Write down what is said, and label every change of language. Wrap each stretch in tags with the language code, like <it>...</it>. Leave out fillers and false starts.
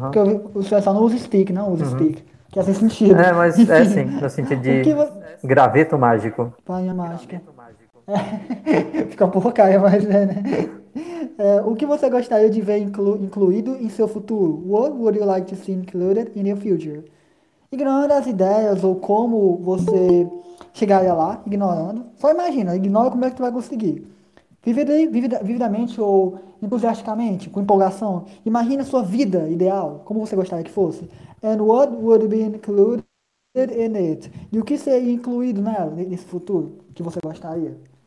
<pt>Porque o só não usa stick, não usa stick. Que é sem sentido. É, mas é assim, no sentido de graveto mágico. Varinha mágica. Fica um pouco caia, mas é, né? O que você gostaria de ver incluído em seu futuro?</pt> <en>What would you like to see included in your future?</en> <pt>Ignora as ideias ou como você chegaria lá, ignorando. Só imagina, ignora como é que tu vai conseguir. Vividamente ou entusiasticamente, com empolgação, imagine a sua vida ideal, como você gostaria que fosse.</pt> <en>And what would be included in it?</en> <pt>E o que seria incluído nela, nesse futuro que você gostaria?</pt>